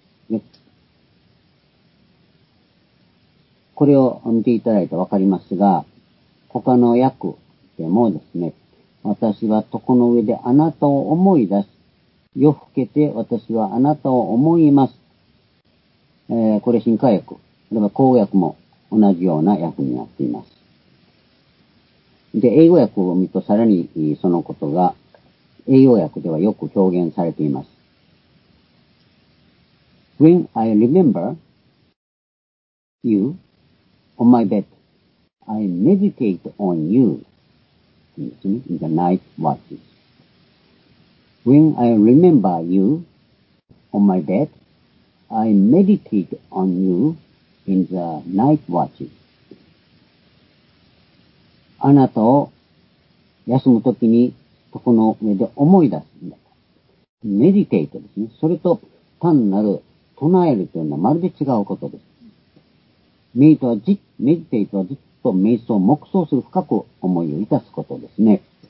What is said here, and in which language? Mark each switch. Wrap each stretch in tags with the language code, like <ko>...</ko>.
<ja>で、これを見ていただいてわかりますが、他の訳でもですね、私は床の上であなたを思い出し、夜更けて私はあなたを思います。これ新化訳、あるいは口語訳も同じような訳になっています。で、英語訳を見るとさらにそのことが、英語訳ではよく表現されています。</ja> <en>When I remember you on my bed, I meditate on you in the night watches. When I remember you on my bed, I meditate on you in the night watches.</en> <ja>あなたを休むときに床の上で思い出すんだ。メディテイトですね。それと単なる唱えるというのはまるで違うことです。メディテイトはじっと瞑想、黙想する深く思いをいたすことですね。</ja>